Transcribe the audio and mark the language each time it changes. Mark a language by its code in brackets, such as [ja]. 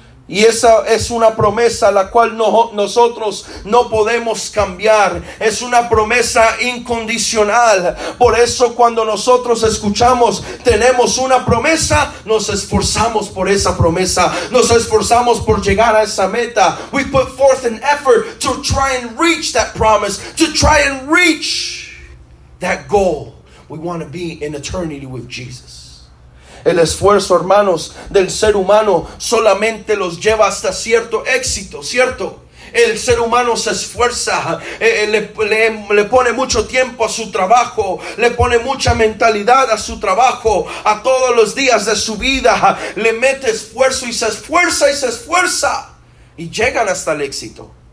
[es] Y esa es una promesa la cual nosotros no podemos cambiar. Es una promesa incondicional. Por eso cuando nosotros escuchamos, tenemos una promesa, nos esforzamos por esa promesa. Nos esforzamos por llegar a esa meta. [en] We put forth an effort to try and reach that promise, to try and reach that goal. We want to be in eternity with Jesus. [es] El esfuerzo, hermanos, del ser humano solamente los lleva hasta cierto éxito, ¿cierto? El ser humano se esfuerza, le pone mucho tiempo a su trabajo, le pone mucha mentalidad a su trabajo, a todos los días de su vida, le mete esfuerzo y se esfuerza y se esfuerza y llegan hasta el éxito.